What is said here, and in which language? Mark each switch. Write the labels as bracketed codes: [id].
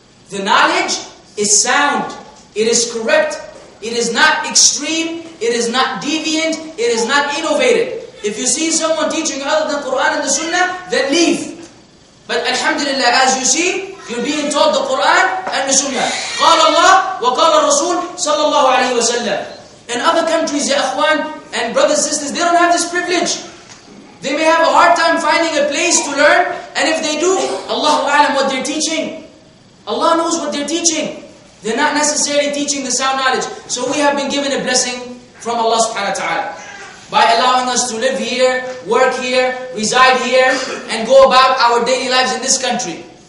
[en] The knowledge is sound. It is correct. It is not extreme. It is not deviant. It is not innovative. If you see someone teaching other than Quran and the Sunnah, then leave. But alhamdulillah, as you see, you're being taught the Quran and the Sunnah. [ar] قال الله وقال الرسول صلى الله عليه وسلم. [en] In other countries, [ar] ya akhwan [en] and brothers and sisters, they don't have this privilege. They may have a hard time finding a place to learn, and if they do, Allahu a'lam what they're teaching. Allah knows what they're teaching. They're not necessarily teaching the sound knowledge. So we have been given a blessing from Allah subhanahu wa ta'ala by allowing us to live here, work here, reside here, and go about our daily lives in this country.